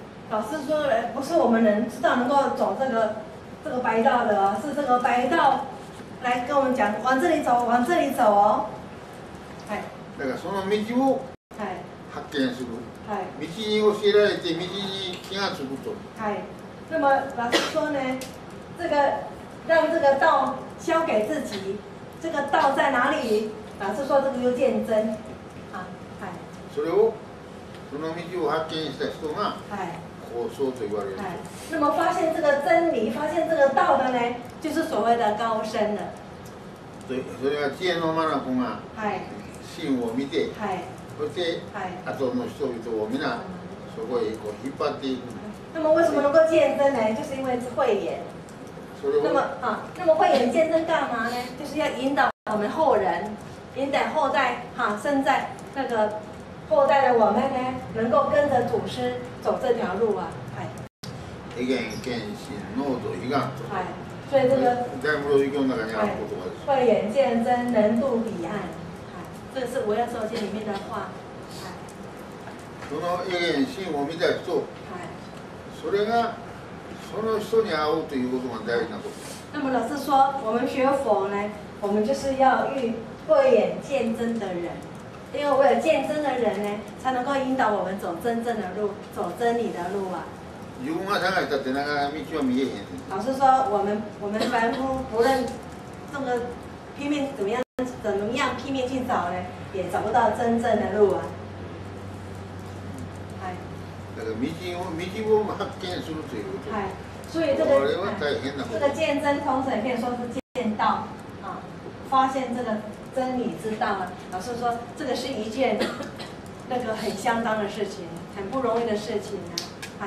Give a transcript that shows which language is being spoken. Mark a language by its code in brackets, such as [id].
[zh] 老师说不是我们能知道能够走这个白道的，是这个白道来跟我们讲往这里走，往这里走哦。 [ja] だからその道を発見する。道に教えられて道に気がつくと。 [zh] 那么老师说呢，这个让这个道交给自己，这个道在哪里？老师说这个就见真。 [ja] それをその道を発見した人が高僧と言われる。 [zh] 那么发现这个真理、发现这个道的呢，就是所谓的高僧了。 [ja] それは智慧の眼が真を見て、そして後の人々を皆そこへこう引っ張っていく。 [zh] 那么为什么能够见真呢？就是因为是慧眼。 [ja] それ [zh] を那么慧眼见真干嘛呢？就是要引导我们后人，引导后代哈，生在那个。后代的我们呢，能够跟着祖师走这条路啊！哎，慧眼见真，能渡彼岸。哎，所以这个在《无漏经》 那慧眼见真，能渡彼岸。这是《无漏经》里面的话。 [ja] その慧眼真を見た人、それがその人に会うということが大事なこと。 [zh] 那么老师说，我们学佛呢，我们就是要遇慧眼见真的人。因为我有见真的人呢，才能够引导我们走真正的路，走真理的路啊。 [ja] 自分が探したってなかなか道は見えへん。 [zh] 老师说，我们凡夫不论这个拼命怎么样拼命去找呢，也找不到真正的路啊。 [ja] だから道を発見するということ。 [zh] 所以这个 [ja] 我れは大変なこと。 [zh] 这个见真同时也可以说是见道啊，发现这个。真理之道啊，老师说这个是一件那个很相当的事情，很不容易的事情啊。